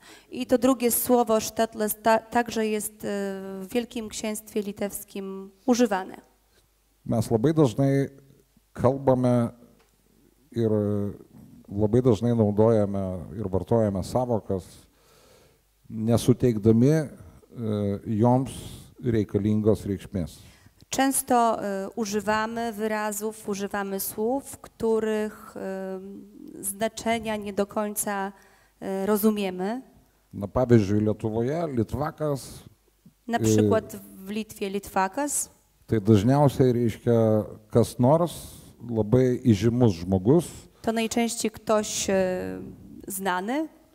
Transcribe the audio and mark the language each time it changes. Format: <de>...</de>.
<pl>I to drugie słowo Štetles także jest w Wielkim Księstwie Litewskim używane.</pl> <lt>Mes labai dažnai kalbame ir labai dažnai naudojame ir vartojame savokas, nesuteikdami joms reikalingos reikšmės.</lt> <pl>Często używamy wyrazów, używamy słów, których znaczenia nie do końca rozumiemy.</pl> <lt>Na pavyzdžiui, Lietuvoje Litvakas.</lt> <pl>Na przykład w Litwie Litvakas.</pl> <lt>Tai dažniausiai, reiškia, kas nors labai įžymus žmogus.</lt> <pl>To najczęściej ktoś znany.</pl>